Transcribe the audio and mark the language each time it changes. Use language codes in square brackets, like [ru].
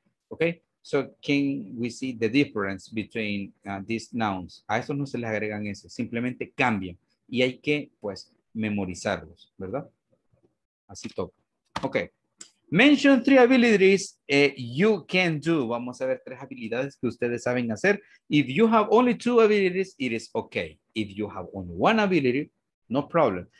[en] Okay, so can we see the difference between these nouns? [es] A estos no se les agregan ese, simplemente cambian y hay que, pues, memorizarlos, ¿verdad? Así toca. [en] Okay, mention three abilities you can do. [es] Vamos a ver tres habilidades que ustedes saben hacer. [en] If you have only two abilities, it is okay. If you have only one ability, no problem.